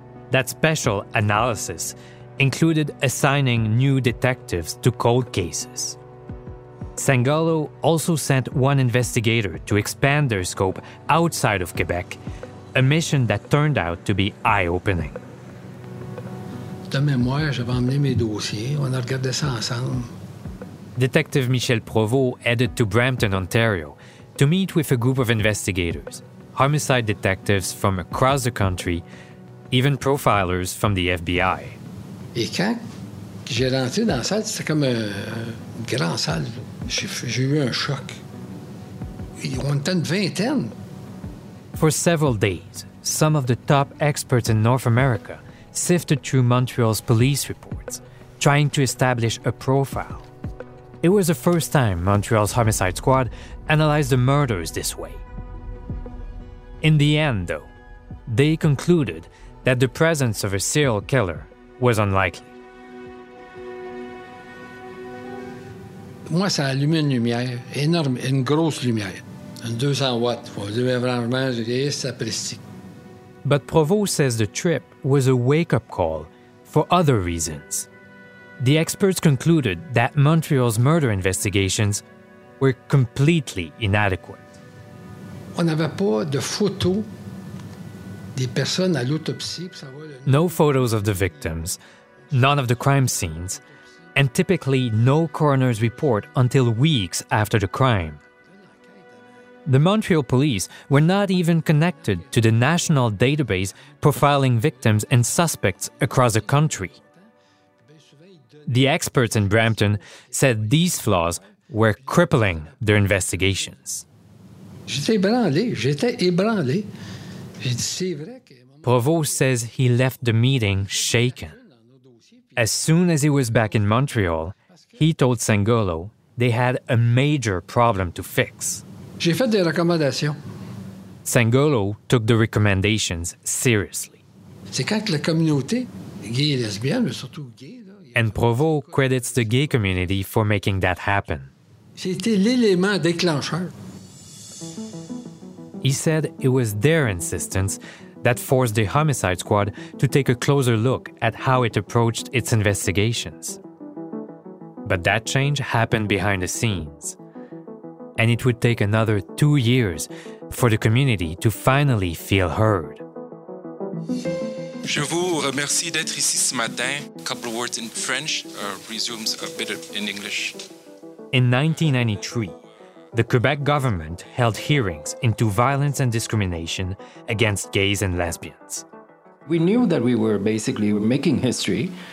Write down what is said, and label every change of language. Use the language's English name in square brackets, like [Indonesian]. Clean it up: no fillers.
[English] That special analysis included assigning new detectives to cold cases. Sangolo also sent one investigator to expand their scope outside of Quebec, a mission that turned out to be eye-opening. [French] De mémoire, j'avais emmené mes dossiers. On a regardé ça ensemble. [English] Detective Michel Provost headed to Brampton, Ontario, to meet with a group of investigators, homicide detectives from across the country, even profilers from the FBI. [French] Et quand j'ai rentré dans la salle, c'était comme un grand salle. J'ai eu un choc. On était une vingtaine. [English] For several days, some of the top experts in North America sifted through Montreal's police reports, trying to establish a profile. It was the first time Montreal's homicide squad analyzed the murders this way. In the end, though, they concluded that the presence of a serial killer was unlikely. [French] Moi, ça allumait une lumière énorme, une grosse lumière, une 200 watts. Vous devez vraiment dire ça prestige. [English] But Provost says the trip was a wake-up call for other reasons. The experts concluded that Montreal's murder investigations were completely inadequate. [French] On n'avait pas de photos des personnes à l'autopsie pour savoir. [English] No photos of the victims, none of the crime scenes, and typically no coroner's report until weeks after the crime. The Montreal police were not even connected to the national database profiling victims and suspects across the country. The experts in Brampton said these flaws were crippling their investigations. [French] J'étais ébranlé, j'étais ébranlé. J'ai dit, c'est vrai que... [English] Provost says he left the meeting shaken. As soon as he was back in Montreal, he told Sangolo they had a major problem to fix. [French] J'ai fait des recommandations. [English] Sangolo took the recommendations seriously. [French] C'est quand la communauté, gay et lesbienne, mais surtout gay, [English] and Provost credits the gay community for making that happen. [French] C'était l'élément déclencheur. [English] He said it was their insistence that forced the homicide squad to take a closer look at how it approached its investigations. But that change happened behind the scenes. And it would take another 2 years for the community to finally feel heard. [French] Je vous remercie d'être ici ce matin. [English] A couple of words in French resumes a bit in English. In 1993, the Quebec government held hearings into violence and discrimination against gays and lesbians. We knew that we were basically making history.